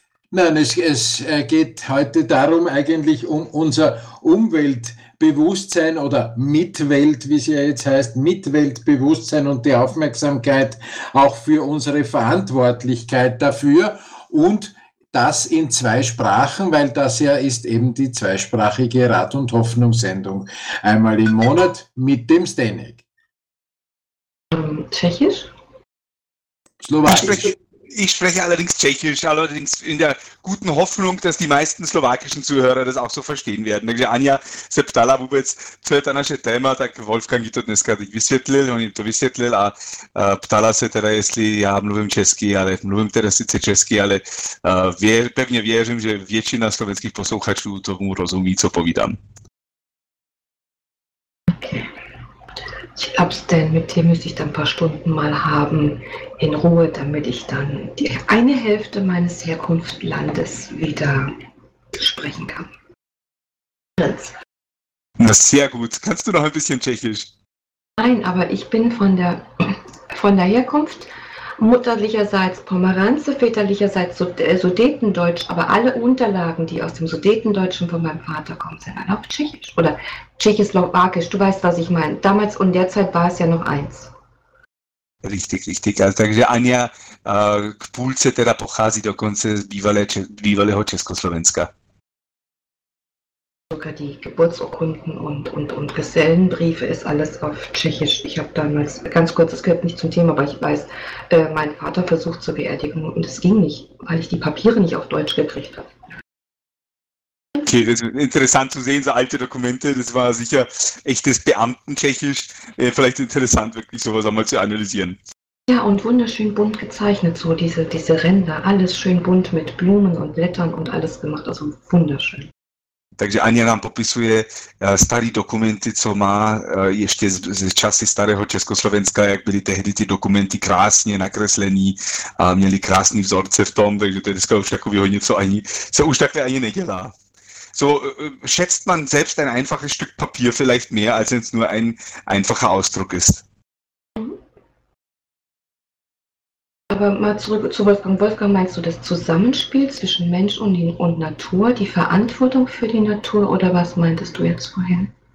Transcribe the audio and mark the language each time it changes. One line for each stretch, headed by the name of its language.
German: Nein, es geht heute darum, eigentlich um unser Umweltbewusstsein oder Mitwelt, wie es ja jetzt heißt, Mitweltbewusstsein und die Aufmerksamkeit auch für unsere Verantwortlichkeit dafür und das in zwei Sprachen, weil das ja ist eben die zweisprachige Rat- und Hoffnungssendung. Einmal im Monat mit dem Stenek. Tschechisch? Slowakisch. Ich spreche allerdings Tschechisch, allerdings in der guten Hoffnung, dass die meisten slowakischen Zuhörer das auch so verstehen werden.
Czech: Takže Anja se ptala vůbec, co je to naše téma, tak Wolfgang ji to dneska teď vysvětlil, on jim to vysvětlil a ptala se teda, jestli já mluvím česky, ale mluvím teda sice česky, ale pevně věřím, že většina slovenských posluchačů tomu rozumí, co povídám.
German: Ich glaube, denn mit dir müsste ich dann ein paar Stunden mal haben in Ruhe, damit ich dann die eine Hälfte meines Herkunftslandes wieder sprechen kann. Na, sehr gut. Kannst du noch ein bisschen Tschechisch? Nein, aber ich bin von der Herkunft mutterlicherseits Pomeranze, väterlicherseits Sudetendeutsch, aber alle Unterlagen, die aus dem Sudetendeutschen von meinem Vater kommen, sind dann auf Tschechisch oder Tschechisch-Slowakisch. Du weißt, was ich meine. Damals und derzeit war es ja noch eins. Richtig, richtig.
Czech: Also, takže Anja k půlce teda pochází dokonce z bývalého Československa.
German: Sogar die Geburtsurkunden und Gesellenbriefe ist alles auf Tschechisch. Ich habe damals, ganz kurz, das gehört nicht zum Thema, aber ich weiß, mein Vater versucht zur Beerdigung und es ging nicht, weil ich die Papiere nicht auf Deutsch gekriegt habe. Okay, das ist interessant zu sehen, so alte Dokumente. Das war sicher echtes Beamtentschechisch. Vielleicht interessant, wirklich sowas einmal zu analysieren. Ja, und wunderschön bunt gezeichnet, so diese Ränder, alles schön bunt mit Blumen und Blättern und alles gemacht, also wunderschön.
Czech: Takže Ani nám popisuje staré dokumenty, co má ještě z časy starého Československa, jak byly tehdy ty dokumenty krásně nakreslený a měly krásný vzorce v tom, takže to je dneska už takového něco ani, co už takhle ani nedělá.
German: So schätzt man selbst ein einfaches Stück Papier vielleicht mehr, als wenn es nur ein einfacher Ausdruck ist. Aber mal zurück zu Wolfgang. Wolfgang, meinst du das Zusammenspiel zwischen Mensch und Natur, die Verantwortung für die Natur, oder was meintest du jetzt vorhin?